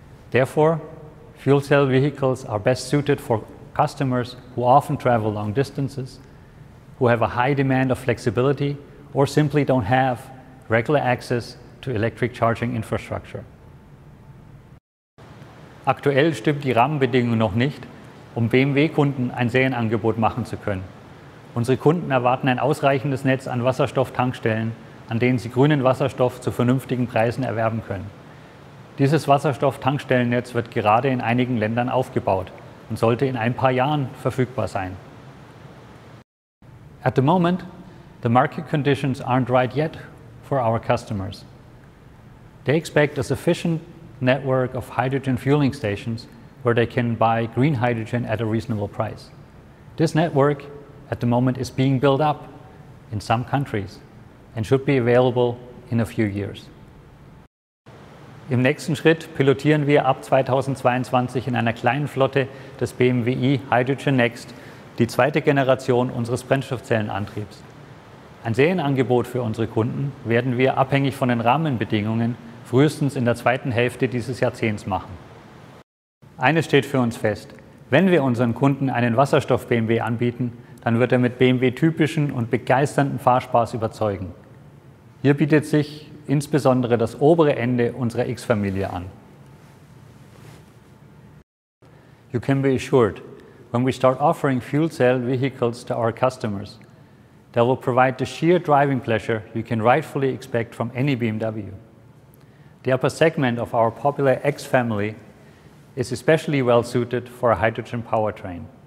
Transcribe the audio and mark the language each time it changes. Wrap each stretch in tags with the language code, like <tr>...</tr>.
<en>Therefore, fuel cell vehicles are best suited for customers who often travel long distances, who have a high demand of flexibility, or simply don't have regular access to electric charging infrastructure.</en> <de>Aktuell stimmt die Rahmenbedingungen noch nicht, um BMW-Kunden ein Serienangebot machen zu können. Unsere Kunden erwarten ein ausreichendes Netz an Wasserstofftankstellen, an denen sie grünen Wasserstoff zu vernünftigen Preisen erwerben können. Dieses Wasserstofftankstellennetz wird gerade in einigen Ländern aufgebaut und sollte in ein paar Jahren verfügbar sein.</de> <en>At the moment, the market conditions aren't right yet for our customers. They expect a sufficient network of hydrogen fueling stations where they can buy green hydrogen at a reasonable price. This network at the moment is being built up in some countries and should be available in a few years.</en> <de>Im nächsten Schritt pilotieren wir ab 2022 in einer kleinen Flotte des BMW iHydrogen Next die zweite Generation unseres Brennstoffzellenantriebs. Ein Serienangebot für unsere Kunden werden wir abhängig von den Rahmenbedingungen frühestens in der zweiten Hälfte dieses Jahrzehnts machen. Eines steht für uns fest: Wenn wir unseren Kunden einen Wasserstoff-BMW anbieten, dann wird er mit BMW-typischen und begeisternden Fahrspaß überzeugen. Hier bietet sich insbesondere das obere Ende unserer X-Familie an.</de> <en>You can be assured, when we start offering fuel cell vehicles to our customers, they will provide the sheer driving pleasure you can rightfully expect from any BMW. The upper segment of our popular X family is especially well suited for a hydrogen powertrain.</en>